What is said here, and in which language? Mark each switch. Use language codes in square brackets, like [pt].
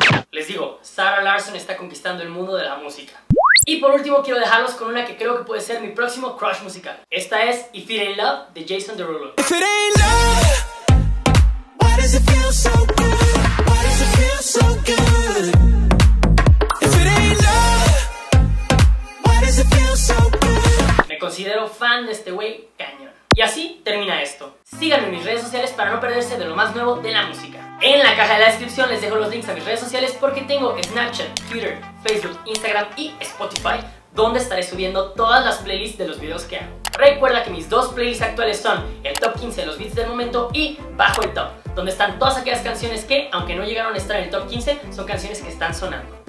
[es] Les digo, Sarah Larson está conquistando el mundo de la música. Y por último quiero dejarlos con una que creo que puede ser mi próximo crush musical. Esta es If It Ain't Love de Jason Derulo. [en] If it ain't love, why does it feel so good? Why does it feel so good? If it ain't love, why does it feel so good? [es] Me considero fan de este güey cañón. Y así termina esto. Síganme en mis redes sociales para no perderse de lo más nuevo de la música. En la caja de la descripción les dejo los links a mis redes sociales porque tengo Snapchat, Twitter, Facebook, Instagram y Spotify, donde estaré subiendo todas las playlists de los videos que hago. Recuerda que mis dos playlists actuales son el Top 15 de los beats del momento y Bajo el Top, donde están todas aquellas canciones que, aunque no llegaron a estar en el Top 15, son canciones que están sonando.